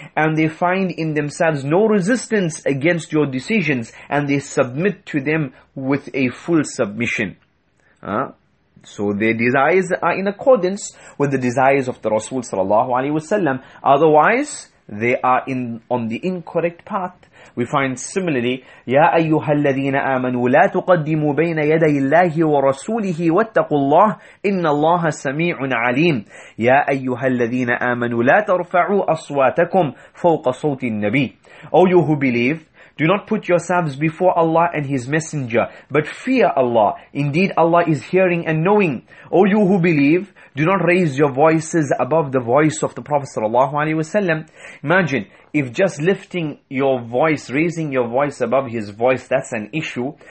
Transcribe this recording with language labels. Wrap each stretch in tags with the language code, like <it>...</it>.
<en>And they find in themselves no resistance against your decisions, and they submit to them with a full submission. So their desires are in accordance with the desires of the Rasul sallallahu alaihi wasallam. Otherwise, they are on the incorrect path. We find similarly,</en> <ar>يَا أَيُّهَا الَّذِينَ آمَنُوا لَا تُقَدِّمُوا بَيْنَ يَدَيِ اللَّهِ وَرَسُولِهِ وَاتَّقُوا اللَّهِ إِنَّ اللَّهَ سَمِيعٌ عَلِيمٌ يَا أَيُّهَا الَّذِينَ آمَنُوا لَا تَرْفَعُوا أَصْوَاتَكُمْ فَوْقَ صَوْتِ النَّبِيِّ.</ar> <en>O you who believe, do not put yourselves before Allah and His Messenger, but fear Allah. Indeed, Allah is hearing and knowing. O you who believe, do not raise your voices above the voice of the Prophet sallallahu alaihi wasallam. Imagine if just lifting your voice, raising your voice above his voice, that's an issue.</en>